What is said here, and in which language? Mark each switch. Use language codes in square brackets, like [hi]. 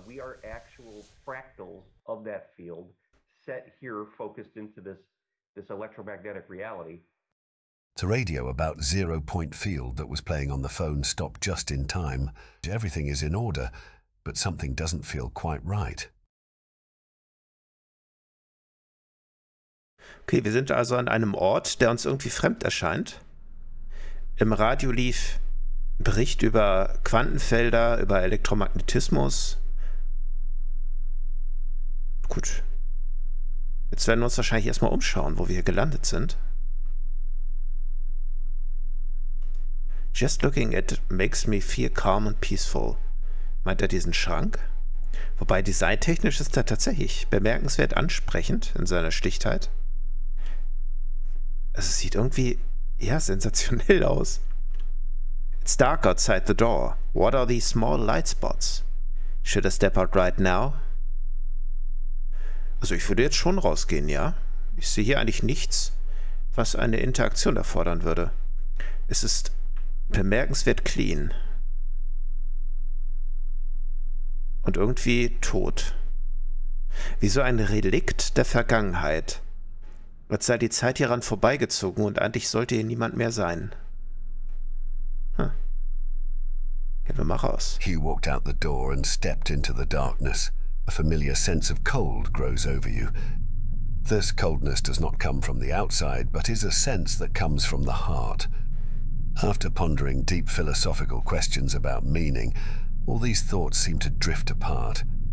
[en] We are actual fractals of that field, set here, focused into this electromagnetic reality. The radio about zero-point field that was playing on the phone stopped just in time. Everything is in order, but something doesn't feel quite right. [de] Okay, wir sind also an einem Ort, der uns irgendwie fremd erscheint. Im Radio lief Bericht über Quantenfelder, über Elektromagnetismus. Gut. Jetzt werden wir uns wahrscheinlich erstmal umschauen, wo wir hier gelandet sind. [en] Just looking at it makes me feel calm and peaceful. [de] Meint er diesen Schrank? Wobei designtechnisch ist er tatsächlich bemerkenswert ansprechend in seiner Stichtheit. Also es sieht irgendwie, ja, sensationell aus. [en] It's dark outside the door. What are these small light spots? Should I step out right now? [de] Also ich würde jetzt schon rausgehen, ja? Ich sehe hier eigentlich nichts, was eine Interaktion erfordern würde. Es ist bemerkenswert clean. Und irgendwie tot. Wie so ein Relikt der Vergangenheit. Als sei die Zeit hieran vorbeigezogen und eigentlich sollte hier niemand mehr sein. Gehen wir mal raus. [en] Hugh walked out the door and stepped into the darkness. A familiar sense of cold grows over you. This coldness does not come from the outside, but is a sense that comes from the heart. After pondering deep philosophical questions about meaning, all these thoughts seem to drift apart.